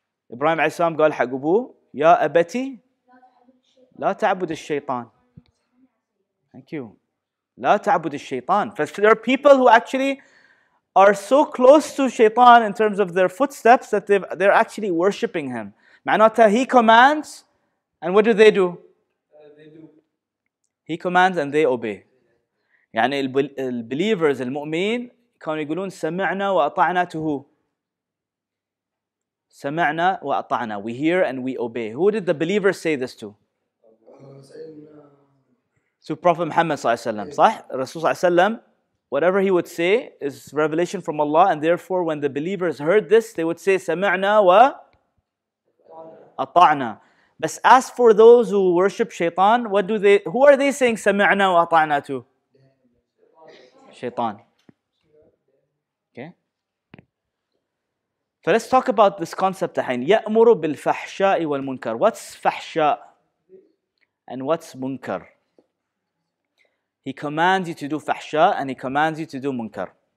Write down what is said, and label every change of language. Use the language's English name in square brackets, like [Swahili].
[Arabic] Ibrahim عليه السلام قال حق أبوه, يا أبتي, لا تعبد الشيطان. [English] Thank you. [Arabic] لا تعبد الشيطان. [English] There are people who actually are so close to Shaitan in terms of their footsteps that they're actually worshipping him. [Arabic] معناتها, [English] he commands, and what do? He commands and they obey. [Arabic] يعني البليفرز المؤمنين كانوا يقولون سمعنا وأطعنا [English] to who? [Arabic] سمعنا وأطعنا. [English] We hear and we obey. Who did the believers say this to? To Prophet Muhammad صلى الله عليه وسلم. [Arabic] صح? [English] الرسول صلى الله عليه وسلم, whatever he would say is revelation from Allah, and therefore when the believers heard this, they would say [Arabic] سمعنا وأطعنا. [English] But as for those who worship Shaitan, what do they? Who are they saying [Arabic] سمعنا وأطعنا [English] to? Shaitan. Okay. So let's talk about this concept. [Arabic] الحين يأمر بالفحشاء والمنكر. [English] What's فحشاء and what's منكر? He commands you to do فحشاء and he commands you to do منكر.